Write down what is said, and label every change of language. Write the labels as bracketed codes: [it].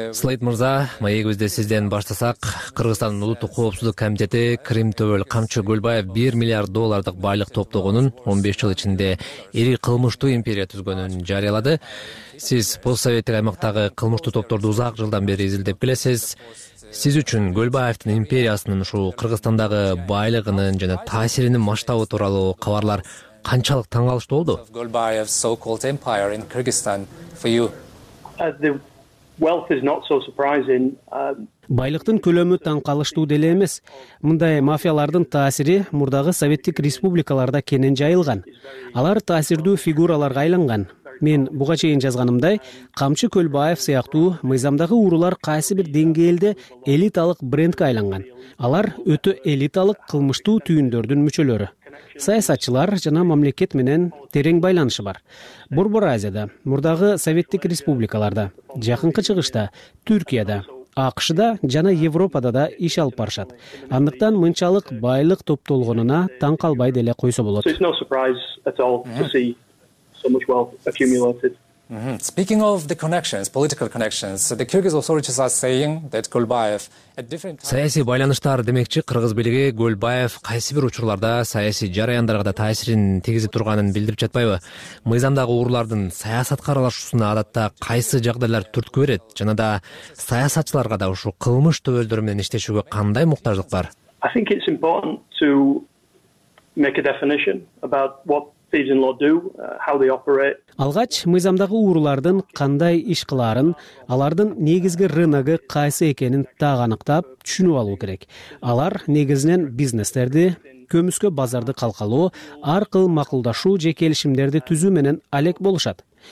[ky] Слейт мырза, маегибизде сизден баштасак, Кыргызстандын улуттук коопсуздук комитети Кримтөбөл Камчы Көлбаев 1 миллиард доллардык байлык топтогонун 15 жыл ичинде ири кылмыштуу империя түзгөнүн жарыялады. Сиз постсоветтик аймактагы кылмыштуу топторду узак жылдан бери изилдеп келесиз. Сиз үчүн Көлбаевдин империясынын ушул Кыргызстандагы байлыгынын жана таасиринин масштабы тууралуу кабарлар канчалык таң калыштуу болду? [en] Golbayev's so-called empire in Kyrgyzstan for you. The wealth is not so surprising. [ky] Байлыктын көлөмү таң калыштуу деле эмес. Мындай мафиялардын таасири мурдагы советтик республикаларда кенен жайылган. Алар таасирдүү фигураларга айланган. Мен буга чейин жазганымдай, Камчы Көлбаев сыяктуу мыйзамдагы уурулар кайсы бир деңгээлде элиталык брендке айланган. Алар өтө элиталык кылмыштуу түйүндөрдүн мүчөлөрү. Саясатчылар жана мамлекет менен терең байланышы бар. Борбор Азияда, мурдагы советтик республикаларда, жакынкы чыгышта, Түркияда, АКШ'да жана Европада да иш алып барышат. Андыктан мынчалык байлык топтолгонуна таң калбай деле койсо болот. [en] So much wealth accumulated. Mm-hmm. Speaking of the connections, political connections, the Kyrgyz authorities are saying that Golbayev at different times. [ky] Саясий байланыштар демекчи, кыргыз бийлиги Golbayev кайсы бир учурларда саясий жараяндарга да таасирин тийгизип турганын билдирип жатпайбы? Мыйзамдагы уурлардын саясатка аралашуусуна адатта кайсы жагдайлар түрткү берет жана да саясатчыларга да ушул кылмыш төбөлдөрү менен иштешүүгө кандай муктаждык бар? [en] I think it's important to make a definition about what these in law do, how they operate. [ky] Алгач мыйзамдагы уурулардын кандай иш кылаарын, алардын негизги рыногу кайсы экенин так аныктап түшүнүп алуу керек. Алар негизинен бизнестерди, көмүскө базарды калкалоо, ар кыл макулдашуу же келишимдерди түзүү менен алек болушат.